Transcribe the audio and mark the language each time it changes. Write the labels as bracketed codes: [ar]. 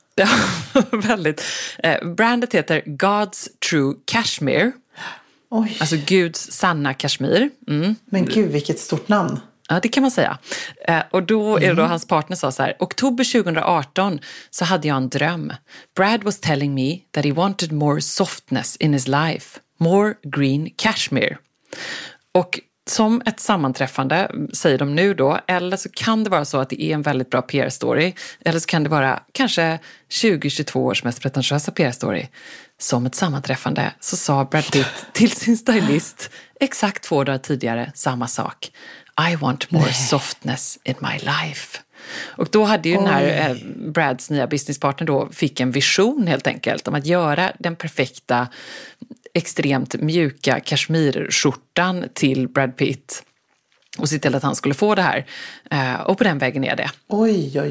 [sv] Ja, väldigt. Brandet heter God's True Cashmere. Oj. Alltså Guds sanna kashmir. Mm. Men gud, vilket stort namn. Ja, det kan man säga. Och då är det då hans partner sa så här. Oktober 2018 så hade jag en dröm. [en] Brad was telling me that he wanted more softness in his life. More green cashmere. [sv] Och som ett sammanträffande, säger de nu då, eller så kan det vara så att det är en väldigt bra PR-story, eller så kan det vara kanske 2022 års mest pretentiösa PR-story. Som ett sammanträffande så sa Brad Pitt till sin stylist exakt 2 dagar tidigare samma sak. [en] I want more softness in my life. [sv] Och då hade ju den här Brads nya businesspartner då fick en vision helt enkelt om att göra den perfekta extremt mjuka kashmir-skjortan till Brad Pitt och se till att han skulle få det här. Och på den vägen är det. Oj, oj, oj.